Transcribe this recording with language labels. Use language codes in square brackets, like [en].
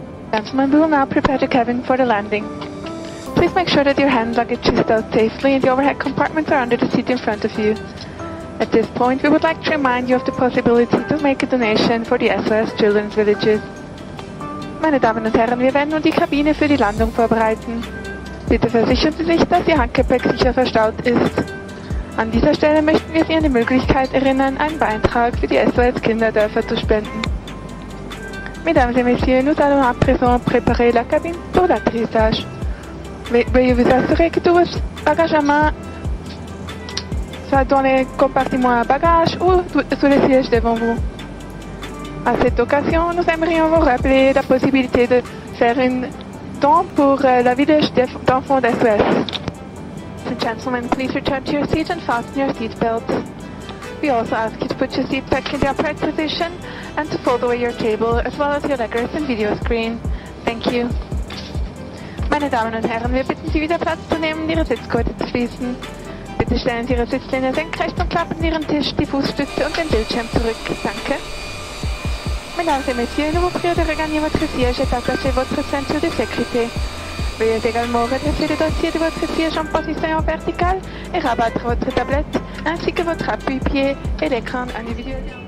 [en] Gentlemen, we will now prepare the cabin for the landing. Please make sure that your hand luggage is stowed safely and the overhead compartments are under the seat in front of you. At this point, we would like to remind you of the possibility to make a donation for the SOS Children's Villages. [de] Meine Damen und Herren, wir werden nun die Kabine für die Landung vorbereiten. Bitte versichern Sie sich, dass Ihr Handgepäck sicher verstaut ist. An dieser Stelle möchten wir Sie an die Möglichkeit erinnern, einen Beitrag für die SOS Kinderdörfer zu spenden. [fr] Mesdames et Messieurs, nous allons à présent préparer la cabine pour l'atterrissage. Veuillez vous assurer que tout votre bagage à main dans les compartiments à bagages ou sous les sièges devant vous. À cette occasion, nous aimerions vous rappeler la possibilité de faire un don pour la village d'enfants d'SOS. [en] So gentlemen, please return to your seat and fasten your seat belts. We also ask you to put your seat back in the upright position and to fold away your table as well as your legs and video screen. Thank you. [de] Meine Damen und Herren, wir bitten Sie wieder Platz zu nehmen und Ihre Sitzgurte zu schließen. Bitte stellen Sie Ihre Sitzlehne senkrecht und klappen Ihren Tisch, die Fußstütze und den Bildschirm zurück. Danke. [fr] Mesdames et Messieurs, nous vous prions de regagner votre siège et d'attacher votre ceinture de sécurité. Veuillez également redresser le dossier de votre siège en position verticale et rabattre votre tablette ainsi que votre appui-pied et l'écran individuel.